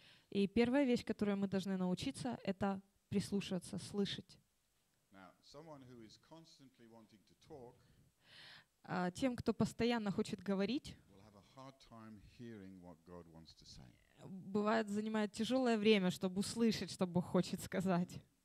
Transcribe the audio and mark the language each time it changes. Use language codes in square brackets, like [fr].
[ru] И первая вещь, которую мы должны научиться, это прислушиваться, слышать. [en] Now, someone who is constantly wanting to talk, [ru] тем, кто постоянно хочет говорить, [en] will have a hard time hearing what God wants to say. [ru] Бывает, занимает тяжелое время, чтобы услышать, что Бог хочет сказать.